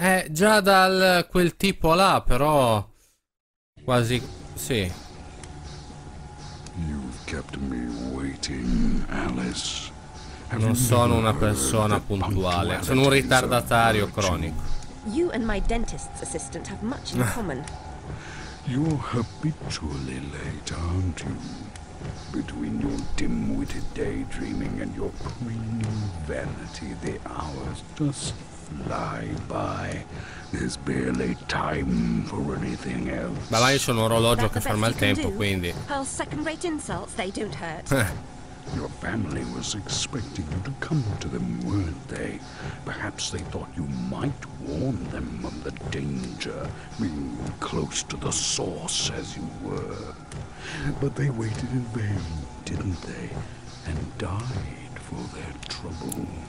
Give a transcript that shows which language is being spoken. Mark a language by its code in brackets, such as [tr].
[it] Già dal quel tipo là, però quasi sì. [en] You've kept me waiting, Alice. [it] Non sono una persona puntuale, sono un ritardatario cronico. [en] You and my dentist's assistant have much in common. You're habitually late, aren't you? Between your dim-witted daydreaming and your preening vanity, the hours just fly by. There's barely time for anything else. [it] Ma là c'è un orologio che ferma il tempo, quindi. [en] Pearl's second-rate insults, they don't hurt. Your family was expecting you to come to them, weren't they? Perhaps they thought you might warn them of the danger, being close to the source as you were. But they waited in vain, didn't they? And died for their trouble.